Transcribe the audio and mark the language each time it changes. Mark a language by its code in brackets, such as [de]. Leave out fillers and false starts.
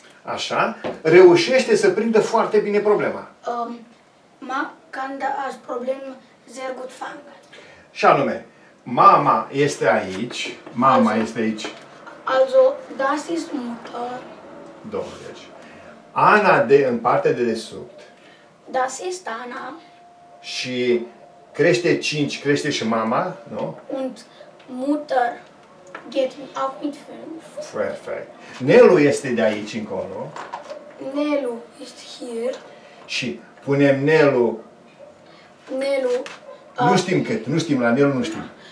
[ro] Așa, reușește să prindă foarte bine problema. [de] Ma kann das Problem sehr gut fangen. [ro] Și anume... Mama este aici. Mama also, este aici. [de] Also, das ist Mutter. [ro] 20. Ana de în partea de desubt. [de] Das ist Ana. [ro] Și crește 5, crește și mama, nu? [de] Und Mutter geht auch mit 5. [ro] Perfect. Nelu este de aici încolo. [de] Nelu ist hier. [ro] Și punem Nelu. Nelu. Nu știm cât, nu știm la Nelu, nu știm.